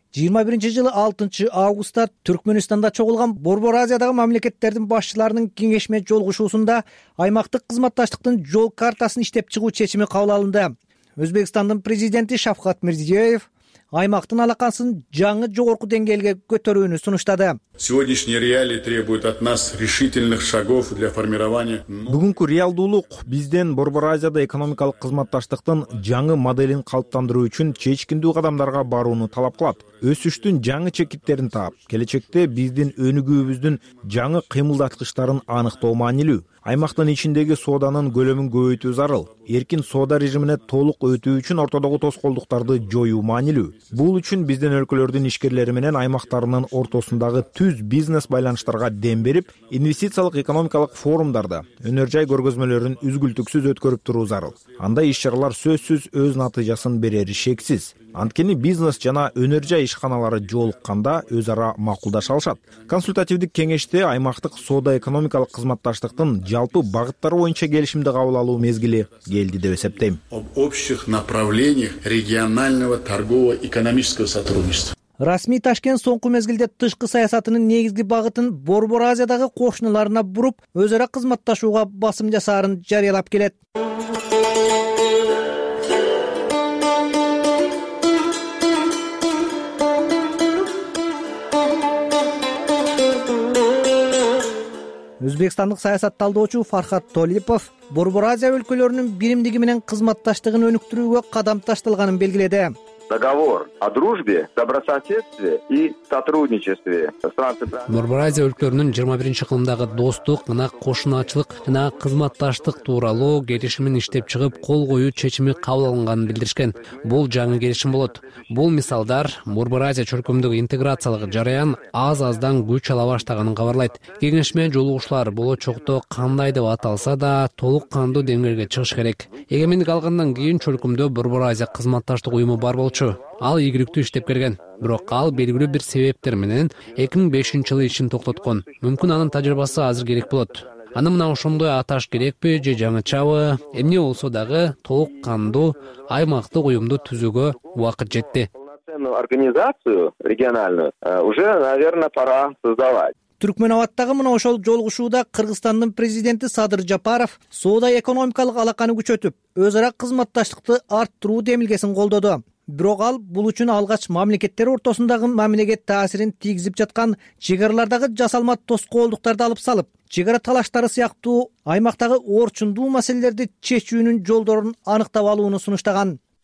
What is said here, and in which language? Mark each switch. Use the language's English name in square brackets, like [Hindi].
[Kyrgyz] 21 жылы 6 августта Түркмөнстанда чогулган Борбор Азиядагы мамлекеттердин башчыларынын кеңешме жолугушуусунда аймактык кызматташтыктын жол картасын иштеп чыгуу чечими кабыл алынды. Өзбекстандын президенти Шавкат Мирзиёев аймактын алакасын жаңы жогорку деңгээлге көтөрүүнү сунуштады. [Russian] Сегодняшние реалии требуют от нас решительных шагов для формирования. [Kyrgyz] Бүгүнкү реалдуулук бизден Борбор Азияда экономикалык кызматташтыктын жаңы моделин калыптандыруу үчүн чечкиндүү кадамдарга барууну талап кылат. Өсүштүн жаңы чекиттерин таап, келечекте биздин өнүгүүбүздүн жаңы кыймылдаткычтарын аныктоо маанилүү. Аймактын ичиндеги сооданын көлөмүн көбөйтүү зарыл. Эркин соода режимине толук өтүү үчүн ортодогу тоскоолдуктарды жоюу маанилүү. Бул үчүн биздин өлкөлөрдүн ишкерлери менен аймактарынын ортосундагы түз бизнес байланыштарга дем берип, инвестициялык экономикалык форумдарда өнөр жай көргөзмөлөрүн үзгүлтүксүз өткөрүп туруу зарыл. Андай иш-чаралар сөзсүз өз натыйжасын берери шексиз. Анткени бизнес жана өнөр жай ишканалары жолукканда өз ара макулдашалышат. Консультативдик кеңеште аймактык соода экономикалык кызматташтыктын жалпы багыттары боюнча келишимди кабыл алуу мезгили келди деп эсептейм. [Russian] Об общих направлениях регионального торгово-экономического сотрудничества. [Kyrgyz] Расмий Ташкент соңку мезгилде тышкы саясатынын негизги багытын Борбор Азиядагы кошуналарына буруп, өз ара кызматташууга басым жасаарын жарыялап келет. Өзбекстандык саясат талдоочу Фархат Толипов Борбор Азия өлкөлөрүнүн биримдиги менен кызматташтыгын өнүктүрүүгө кадам ташталганын белгиледи. [Russian] Договор о дружбе, добрососедстве и сотрудничестве. [Kyrgyz] Борбор Азия өлкөлөрүнүн 21-чы кылымдагы достук, анан кошуначылык жана кызматташтык тууралуу келишимин иштеп чыгып, кол коюу чечими кабыл алынганын билдиришкен. Бул жаңы келишим болот. Бул мисалдар Борбор Азия чөлкөмдөгү интеграциялык жараян аз-аздан күч ала баштаганын кабарлайт. Кеңешме жолугушуулар болочокто кандай деп аталса да, толук кандуу деңгээлге чыгыш керек. Эгемендик алгандан кийин чөлкөмдө Борбор Азия кызматташтык уюму бар болчу. Ал ийгиликтүү иштеп келген, бирок ал белгилүү бир себептер менен 2005 жылы ишин токтоткон. Мүмкүн анын тажрыйбасы азыр керек болот. Аны мына ошондой аташ керекпи же жаңычабы? Эмне болсо дагы толук кандуу аймактык уюмду түзүүгө убакыт жетти. [Russian] Организацию региональную уже, наверное, пора создавать. [Kyrgyz] Түркмөнабаттагы мына ошол жолугушууда Кыргызстандын президенти Садыр Жапаров соода экономикалык алаканы күчөтүп, өз ара кызматташтыкты арттыруу демилгесин колдоду. Бирок ал бул үчүн алгач мамлекеттер ортосундагы мамилеге таасирин тийгизип жаткан чекаралардагы жасалма тоскоолдуктарды алып салып, чекара талаштары сыяктуу аймактагы орчундуу маселелерди чечүүнүн жолдорун аныктап алууну сунуштаган.